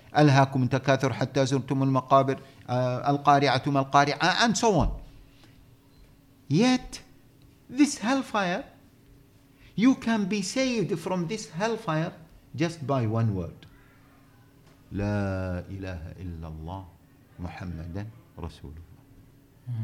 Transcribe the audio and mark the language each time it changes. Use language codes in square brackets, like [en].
[ar] ألهاكم تكاثر حتى زرتم المقابر القارعة ما القارعة [en] and so on. Yet, this hellfire, you can be saved from this hellfire just by one word. [ar] لا إله إلا الله محمدا رسول الله.